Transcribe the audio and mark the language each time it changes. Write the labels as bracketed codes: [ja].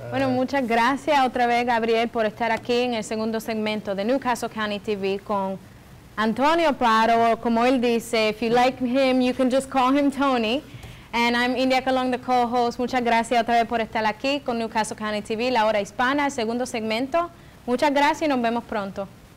[es] Bueno, muchas gracias otra vez, Gabriel, por estar aquí en el segundo segmento de Newcastle County TV con Antonio Prado. Como él dice, [en] if you like him, you can just call him Tony. And I'm India Colón, the co-host. [es] Muchas gracias otra vez por estar aquí con Newcastle County TV, La Hora Hispana, el segundo segmento. Muchas gracias y nos vemos pronto.